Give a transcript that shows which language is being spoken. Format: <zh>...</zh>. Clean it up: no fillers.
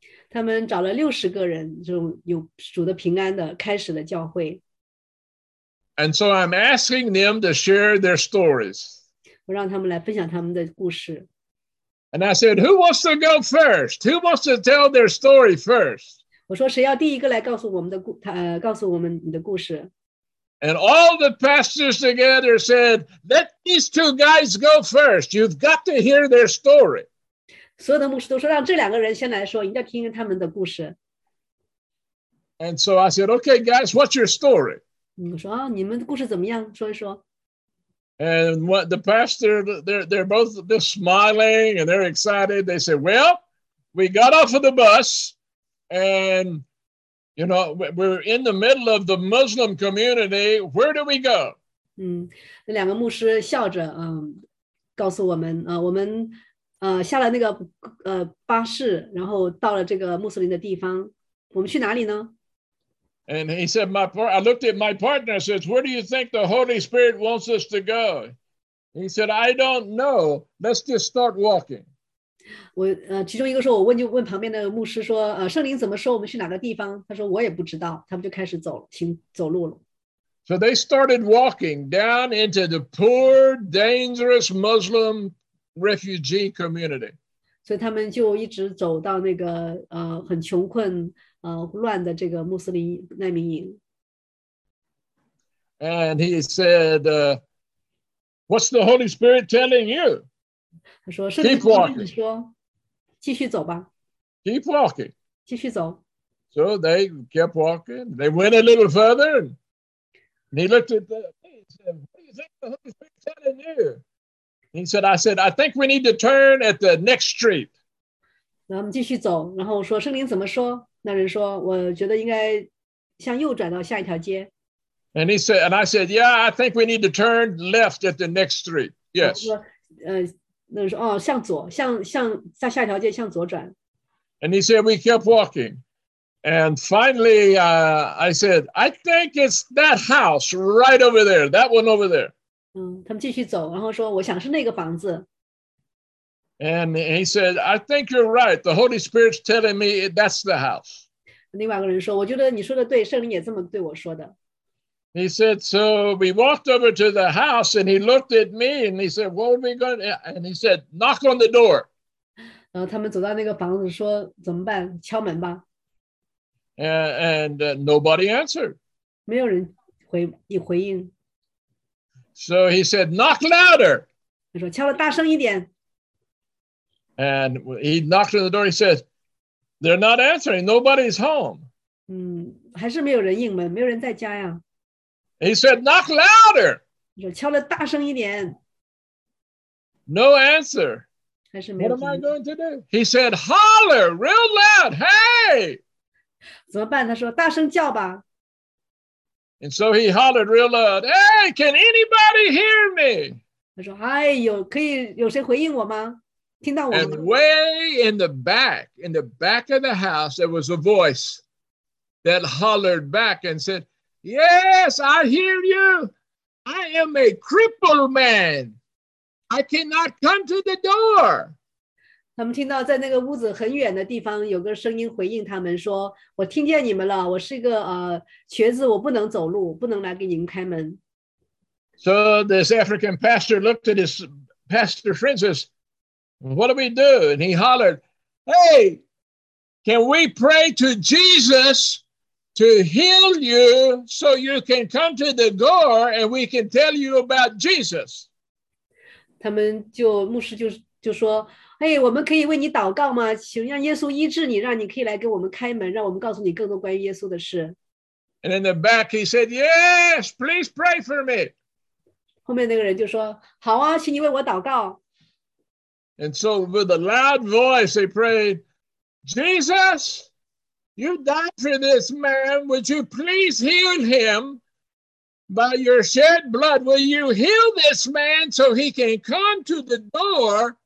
<zh>他们找了60个人，就有主的平安的，开始了教会。</zh> <en>And so I'm asking them to share their stories.</en> <zh>我让他们来分享他们的故事。</zh> <en>And I said, "Who wants to go first? Who wants to tell their story first?"</en> <zh>我说谁要第一个来告诉我们的告诉我们你的故事。</zh> <en>And all the pastors together said, "Let these two guys go first. You've got to hear their story."</en> <zh>所有的牧师都说让这两个人先来说，一定要听他们的故事。</zh> <en>And so I said, "Okay, guys, what's your story?"</en> <zh>你们的故事怎么样？说一说。</zh> <en>And what the pastor, they're both just smiling and they're excited. They said, "Well, we got off of the bus and, you know, we're in the middle of the Muslim community. Where do we go?"</en> <zh>那两个牧师笑着告诉我们，我们下了那个巴士，然后到了这个穆斯林的地方。我们去哪里呢？</zh> <en>And he said, I looked at my partner and said, where do you think the Holy Spirit wants us to go? He said, I don't know. Let's just start walking.</en> <zh>我其中一个说，我问旁边的牧师说，圣灵怎么说我们去哪个地方？他说我也不知道，他们就开始走路了。</zh> <en>So they started walking down into the poor, dangerous Muslim refugee community.</en> <zh>所以他们就一直走到那个很穷困乱的这个穆斯林难民营。</zh> <en>And he said, "What's the Holy Spirit telling you?"</en> <zh>他说，圣灵跟你说，继续走吧。</zh> <en>Keep walking.</en> <zh>继续走。</zh> <en>So they kept walking. They went a little further. And he looked at the and said, "What do you think the Holy Spirit is telling you?" He said, "I said I think we need to turn at the next street."</en> <zh>然后继续走，然后说圣灵怎么说？那人说，我觉得应该向右转到下一条街。</zh> <en>And he said, and I said, "Yeah, I think we need to turn left at the next street." Yes.</en> <zh>那人说，哦，向左，向下一条街向左转。</zh> <en>And he said, "We kept walking." And finally, I said, "I think it's that house right over there, that one over there."</en> <zh>他们继续走，然后说，我想是那个房子。</zh> <en>And he said, "I think you're right. The Holy Spirit's telling me that's the house."</en> <zh>另外一个人说，我觉得你说的对，圣灵也这么对我说的。</zh> <en>He said, "So we walked over to the house, and he looked at me, and he said, 'What are we going to?' And he said, 'Knock on the door.'"</en> <zh>然后他们走到那个房子，说怎么办？敲门吧。</zh> <en>And nobody answered.</en> <zh>没有人回应。</zh> <en>So he said, "Knock louder."</en> <zh>他说敲了大声一点。</zh> <en>And he knocked on the door. He said, "They're not answering. Nobody's home."</en> <zh>还是没有人应门，没有人在家呀。</zh> <en>He said, "Knock louder."</en> <zh>他说敲了大声一点。</zh> <en>No answer.</en> <zh>还是没有。</zh> <en>What am I going to do? He said, "Holler real loud, hey."</en> <zh>怎么办？他说大声叫吧。</zh> <en>And so he hollered real loud, "Hey, can anybody hear me?"</en> <zh>他说，哎，有谁回应我吗？听到我吗？</zh> <en>And way in the back of the house, there was a voice that hollered back and said, "Yes, I hear you. I am a crippled man. I cannot come to the door."</en> <zh>他们听到在那个屋子很远的地方有个声音回应他们说，我听见你们了，我是一个瘸子，我不能走路，不能来给你们开门。</zh> <en>So this African pastor looked at his pastor friend says, "What do we do?" And he hollered, "Hey, can we pray to Jesus to heal you so you can come to the door and we can tell you about Jesus?"</en> <zh>他们就牧师就说，哎，我们可以为你祷告吗？请让耶稣医治你，让你可以来给我们开门，让我们告诉你更多关于耶稣的事。</zh> <en>And in the back, he said, "Yes, please pray for me."</en> <zh>后面那个人就说，好啊，请你为我祷告。</zh> <en>And so with a loud voice, they prayed, "Jesus, you died for this man. Would you please heal him? By your shed blood, will you heal this man so he can come to the door?</en>